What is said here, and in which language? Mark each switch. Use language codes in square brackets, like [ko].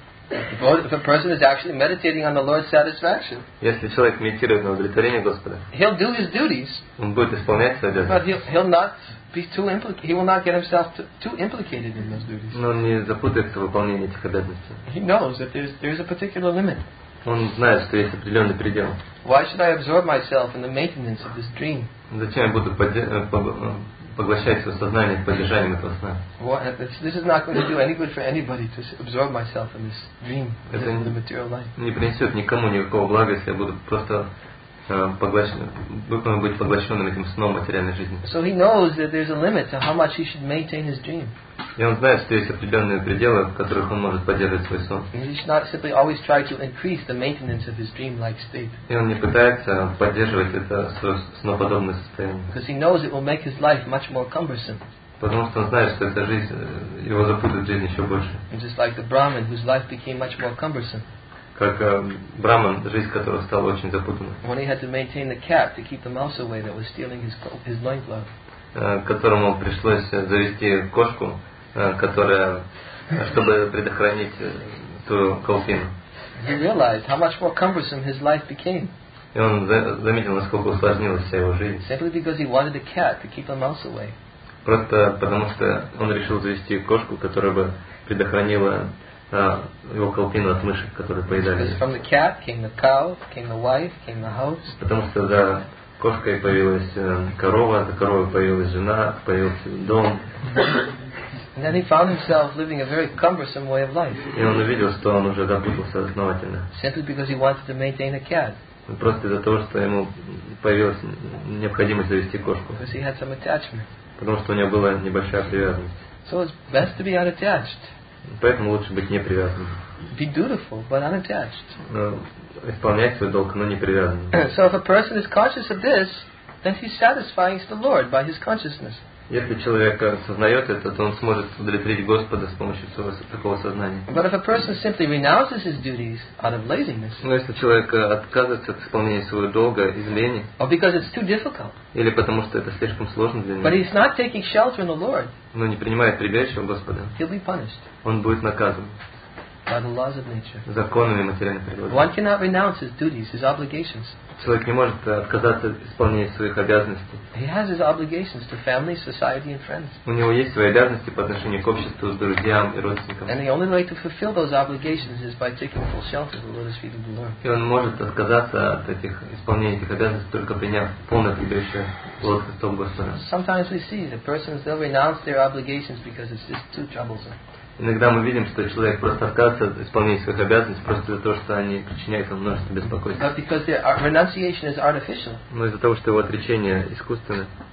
[en] If a person is actually meditating on the Lord's satisfaction, [ru] если человек медитирует на удовлетворение Господа, [en] he'll do his duties. [ru] Он будет исполнять свои обязанности. [en] But he'll not be too implicated. He will not get himself too implicated in those duties. [ru] Но он не запутается в выполнении этих обязанностей. [en] He knows that there's a particular limit. [ru] Он знает, что есть определенный предел. [en] Why should I absorb myself in the maintenance of this dream? [ru] Зачем я буду поглощать свое сознание поддержанием этого сна. [en] This is not going to do any good for anybody to absorb myself in this dream, in the material life. [ru] Не принесет никому никакого блага, если я буду просто поглощенным этим сном материальной жизни. [en] So he knows that there's a limit to how much he should maintain his dream. [ru] И он знает, что есть определенные пределы, в которых он может поддерживать свой сон. [en] And he should not simply always try to increase the maintenance of his dream-like state. [ru] И он не пытается поддерживать это сноподобное состояние. [en] Because he knows it will make his life much more cumbersome. [ru] Потому что он знает, что эта жизнь его запутает жизнь еще больше. [en] And just like the Brahmin, whose life became much more cumbersome. [ru] Как Браман, жизнь которого стала очень запутанной. [en] When he had to maintain the cap to keep the mouse away that was stealing his loincloth. [ru] Которому пришлось завести кошку, которая, чтобы предохранить ту колпину. [en] He realized how much more cumbersome his life became. [ru] И он заметил, насколько усложнилась вся его жизнь. [en] Simply because he wanted a cat to keep the mouse away. [ru] Просто потому что он решил завести кошку, которая бы предохранила его колпину от мышек, которые поедали. [en] Because from the cat came the cow, came the wife, came the house. [ru] Потому что за кошкой появилась корова, за коровой появилась жена, появился дом. [en] And then he found himself living a very cumbersome way of life. [ru] И он увидел, что он уже запутался основательно. [en] Simply because he wanted to maintain a cat. [ru] Просто из-за того, что ему появилась необходимость завести кошку. [en] Because he had some attachment. [ru] Потому что у него была небольшая привязанность. [en] So it's best to be unattached. [ru] Поэтому лучше быть непривязанным. [en] Be dutiful, but unattached. [ru] Исполнять свой долг, но непривязанным. [en] So if a person is conscious of this, then he satisfies the Lord by his consciousness. [ru] Если человек осознает это, то он сможет удовлетворить Господа с помощью своего такого сознания. [en] But if a person simply renounces his duties out of laziness. [ru] Но если человек отказывается от исполнения своего долга из лени. [en] Or because it's too difficult. [ru] Или потому что это слишком сложно для него. [en] But he's not taking shelter in the Lord. [ru] Но не принимает прибежище у Господа. [en] He'll be punished. [ru] Он будет наказан. [en] by the laws of nature. [ru] Законами материальной природы. [en] One cannot renounce his duties, his obligations. [ru] Человек не может отказаться от исполнения своих обязанностей. [en] He has his obligations to family, society, and friends. [ru] У него есть свои обязанности по отношению к обществу, с друзьям и родственникам. [en] And the only way to fulfill those obligations is by taking full shelter of the Lotus Feet of the Lord. [ru] И он может отказаться от этих исполнения этих обязанностей только приняв полное прегрешение Лотоса Стоп Господа. [en] Sometimes we see that persons they'll renounce their obligations because it's just too troublesome. [ru] Иногда мы видим, что человек просто отказывается от исполнения своих обязанностей просто из-за того, что они причиняют ему множество беспокойств. Но из-за того, что его отречение искусственное.